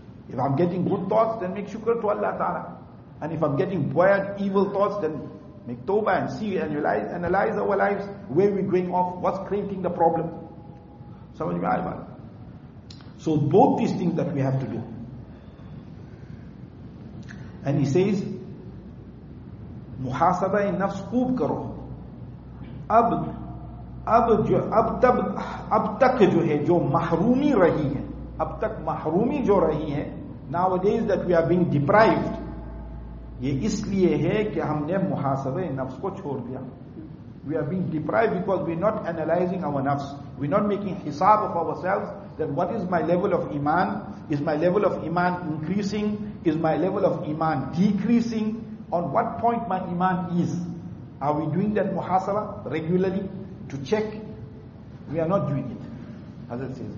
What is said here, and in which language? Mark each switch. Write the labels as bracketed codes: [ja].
[en] If I'm getting good thoughts, then make shukr to Allah Ta'ala. And if I'm getting bad, evil thoughts, then make tawbah and see, analyze our lives, where we're going off, what's creating the problem. So both these things that we have to do. And he says, [ur] muhasaba in nafs khub karo. اب تک جو ہے جو محرومی رہی ہے, اب تک محرومی جو رہی ہے, [en] nowadays that we are being deprived, [ur] یہ اس لیے ہے کہ ہم نے محاسبہ نفس کو چھوڑ دیا. [en] We are being deprived because we are not analyzing our nafs, we are not making hisab of ourselves, that what is my level of iman? Is my level of iman increasing? Is my level of iman decreasing? On what point my iman is? Are we doing that muhasaba regularly to check? We are not doing it, as it says.